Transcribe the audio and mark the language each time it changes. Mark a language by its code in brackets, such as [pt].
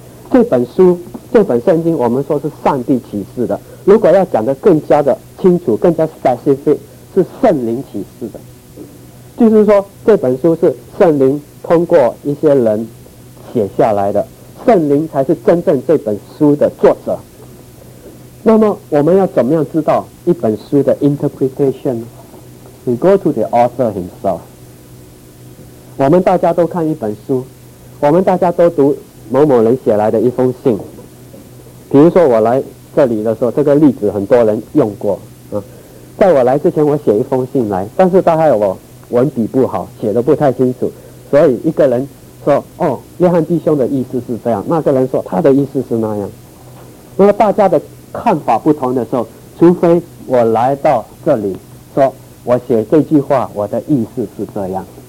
[zh] 这本书，这本圣经，我们说是上帝启示的，如果要讲得更加的清楚，更加 specific， 是圣灵启示的，就是说这本书是圣灵通过一些人写下来的，圣灵才是真正这本书的作者。那么我们要怎么样知道一本书的 interpretation？ [en] We go to the author himself。 [zh] 我们大家都看一本书，我们大家都读某某人写来的一封信，比如说我来这里的时候，这个例子很多人用过啊。在我来之前我写一封信来，但是大概我文笔不好，写得不太清楚，所以一个人说哦，约翰弟兄的意思是这样，那个人说他的意思是那样，那么大家的看法不同的时候，除非我来到这里说我写这句话我的意思是这样。